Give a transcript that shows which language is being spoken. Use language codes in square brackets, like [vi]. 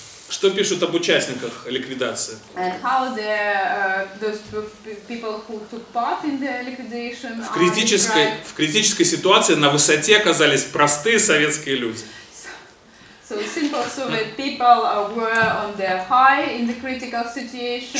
[ru] Что пишут об участниках ликвидации? [en] And how the those people who took part in the liquidation [ru] в критической [en] are... [ru] в критической ситуации на высоте оказались простые советские люди. [en] So simple Soviet people were on the high in the critical situation.